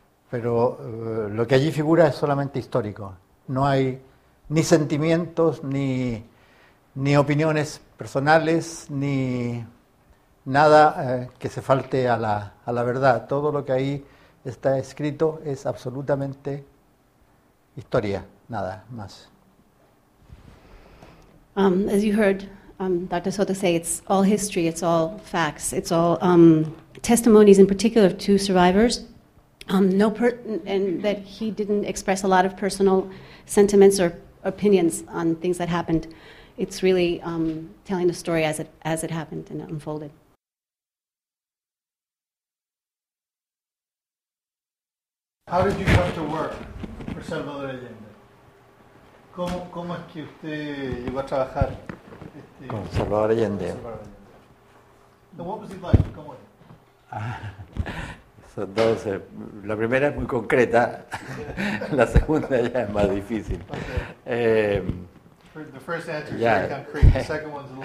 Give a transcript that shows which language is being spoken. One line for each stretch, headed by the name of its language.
Spanish: Pero lo que allí figura es solamente histórico. No hay ni sentimientos ni opiniones personales, ni nada que se falte a la verdad. Todo lo que ahí está escrito es absolutamente historia, nada más.
English: As you heard Dr. Soto say, it's all history, it's all facts, it's all testimonies in particular of 2 survivors, and that he didn't express a lot of personal sentiments or opinions on things that happened. It's really telling the story as it happened and unfolded. How did you come to work for Salvador Allende?
Spanish: ¿Cómo es que usted llegó a trabajar con Salvador Allende?
English: What was it like?
Spanish: ¿Cómo era? Entonces, la primera es muy concreta, la segunda ya es más difícil.
English: Okay. The first answer is very concrete, the second one's a little